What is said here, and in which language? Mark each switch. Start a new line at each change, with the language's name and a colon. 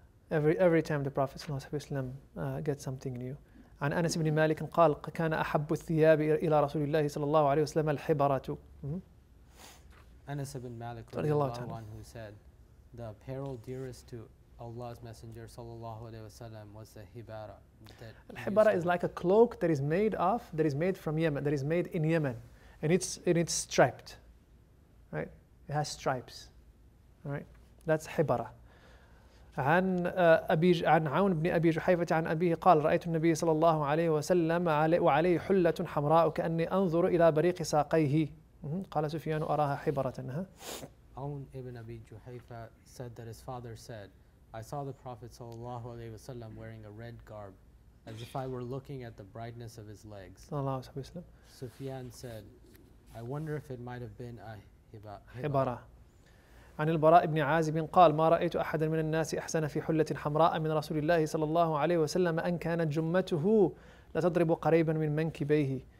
English: That's every time the Prophet gets something new.
Arabic: عن أنس بن مالك قال كان أحب الثياب إلى رسول الله صلى الله عليه وسلم الحبرة.
English: أنس بن مالك
Arabic: رضي الله عنه
English: said, the apparel dearest to Allah's Messenger sallallahu alaihi wasallam was the hibara. Al-hibara is like a cloak that is made from Yemen, that is made in Yemen, and it's striped, right? It has stripes, right? That's hibara.
Arabic: عن أبي عن عون بن أبي جحيفة عن أبيه قال رأيت النبي صلى الله عليه وسلم وعليه حلة حمراء كأني أنظر إلى بريق ساقيه. قال سفيان أراها حبرة.
English: عون بن أبي جحيفة said that his father said, I saw the Prophet
Arabic: صلى الله عليه وسلم
English: wearing a red garb as if I were looking at the brightness of his legs. سفيان said, I wonder if it might have been a
Arabic: حبرة. عن البراء بن عازب قال ما رأيت أحدا من الناس أحسن في حلة حمراء من رسول الله صلى الله عليه وسلم أن كانت جمته لتضرب قريبا من منكبيه.